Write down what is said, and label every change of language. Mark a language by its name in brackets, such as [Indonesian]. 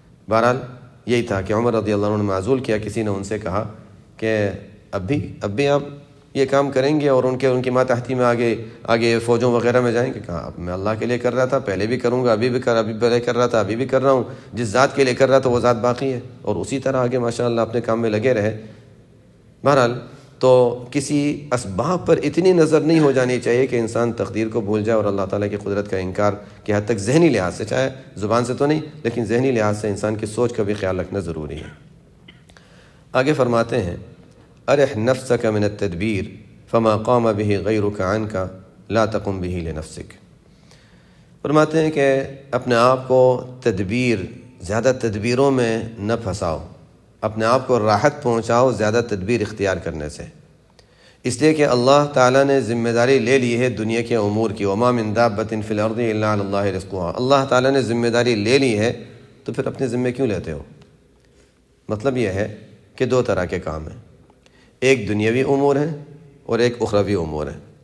[Urdu] بہرحال یہی تھا کہ عمر رضی اللہ عنہ نے معزول کیا. کسی نے ان سے کہا کہ اب بھی آپ یہ کام کریں گے اور ان کی ماتحتی میں آگے فوجوں وغیرہ میں جائیں گے؟ کہاں, میں اللہ کے لیے کر رہا تھا, پہلے بھی کروں گا, ابھی بھی کر رہا تھا جس ذات کے لیے کر رہا تھا وہ ذات باقی ہے, اور اسی طرح آگے ماشاءاللہ اپنے کام میں لگے رہے. بہرحال تو کسی اسباب پر اتنی نظر نہیں ہو جانی چاہیے کہ انسان تقدیر کو بھول جائے اور اللہ تعالیٰ کی قدرت کا انکار کی حد تک ذہنی لحاظ سے, چاہے زبان سے تو نہیں لیکن ذہنی لحاظ سے انسان کی سوچ کا بھی خیال رکھنا ضروری ہے. آگے فرماتے ہیں, [Arabic] ارح نفسك من التدبير فما قام به غيرك عنك لا تقم به لنفسك. [Urdu] فرماتے ہیں کہ اپنے آپ کو تدبیر, زیادہ تدبیروں میں نہ پھنساؤ, اپنے آپ کو راحت پہنچاؤ زیادہ تدبیر اختیار کرنے سے. اس لیے کہ اللہ تعالیٰ نے ذمہ داری لے لی ہے دنیا کے امور کی. [Arabic] وما من دابۃ فی الارض الا علی اللہ رزقها. [Urdu] اللہ تعالیٰ نے ذمہ داری لے لی ہے تو پھر اپنے ذمہ کیوں لیتے ہو؟ مطلب یہ ہے کہ دو طرح کے کام ہیں, ایک دنیاوی امور ہے اور ایک اخروی امور ہے.